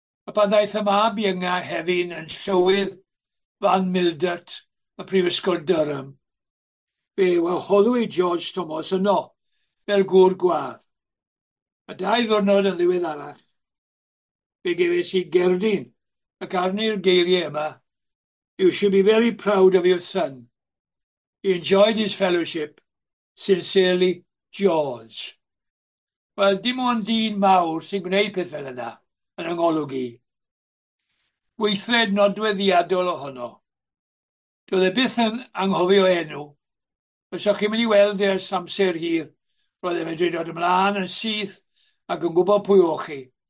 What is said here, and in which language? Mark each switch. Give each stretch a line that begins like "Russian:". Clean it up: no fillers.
Welsh: A pan ddaeth y mab ynga hefyd yn llywydd Van Mildert, y Prifysgol Durham, fe wahoddwyd George Thomas yno fel gŵr gwadd. A dau ddwrnod yn ddiweddarach, fe gefes i gerdyn ac arni'r geiriau yma.
English: You should be very proud of your son. He enjoyed his fellowship. Sincerely, George.
Welsh: Wel, dim ond dyn mawr sy'n gwneud peth fel yna yn yngolwg i. Gweithred nodweddiadol ohono. Doedd e byth yn anghofio enw. Os o'ch chi'n mynd i weld e'r samser hir, roedd e'n medru dod ymlaen yn syth ac yn gwybod pwy o'ch chi.